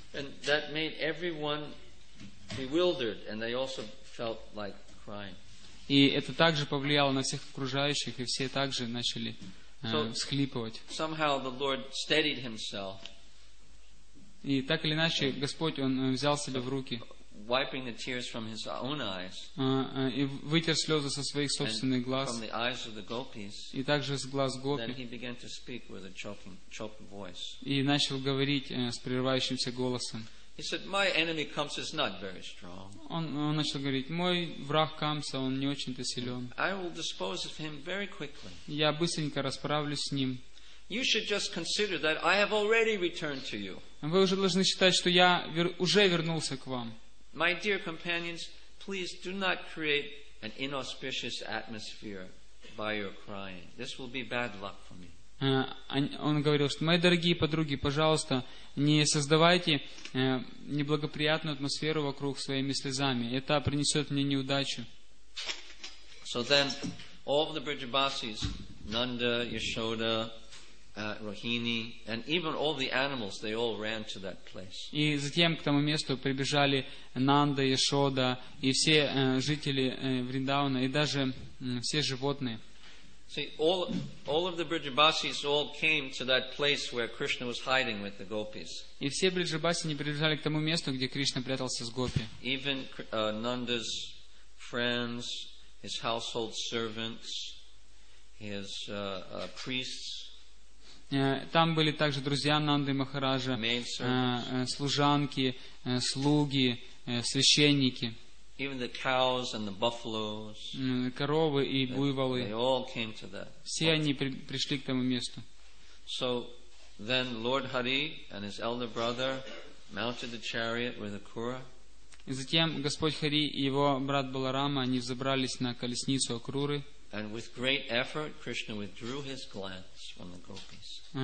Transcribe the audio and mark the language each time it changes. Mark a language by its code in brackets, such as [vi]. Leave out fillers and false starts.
[en] And that made everyone bewildered, and they also felt like crying. [ru] И это также повлияло на всех окружающих, и все также начали схлипывать. [en] Somehow the Lord steadied himself. [ru] И так или иначе, Господь, Он взял себя в руки. [en] Wiping the tears from his own eyes. [ru] И вытер слезы со своих собственных глаз. [en] From the eyes of the gopis. [ru] И также с глаз гопи. [en] Then he began to speak with a choked voice. [ru] И начал говорить с прерывающимся голосом. [en] He said, "My enemy comes is not very strong." [ru] Он начал говорить, мой враг Камса, он не очень-то силен. [en] I will dispose of him very quickly. [ru] Я быстренько расправлюсь с ним. [en] You should just consider that I have already returned to you. [ru] Вы уже должны считать, что я уже вернулся к вам. [en] My dear companions, please do not create an inauspicious atmosphere by your crying. This will be bad luck for me. [ru] Он говорил, что мои дорогие подруги, пожалуйста, не создавайте неблагоприятную атмосферу вокруг своими слезами. Это принесет мне неудачу. [en] So then, all of the Brijabasis, Nanda, Yashoda, Rohini, and even all the animals, they all ran to that place. [ru] И затем к тому месту прибежали Нанда, Яшода и все жители Вриндауна и даже все животные. [en] See, all of the Brijabasis all came to that place where Krishna was hiding with the gopis. [ru] И все Брижабаси не прибежали к тому месту, где Кришна прятался с гопи. [en] Even Nanda's friends, his household servants, his priests. [ru] Там были также друзья Нанды Махараджа, служанки, слуги, священники. [en] Even the cows and the buffaloes. [ru] Коровы и буйволы. [en] They all came to that. [ru] Все они пришли к тому месту. [en] So then Lord Hari and his elder brother mounted the chariot with Akura. [ru] И затем Господь Хари и его брат Баларама, они взобрались на колесницу Акруры. [en] And with great effort, Krishna withdrew his glance from the gopis.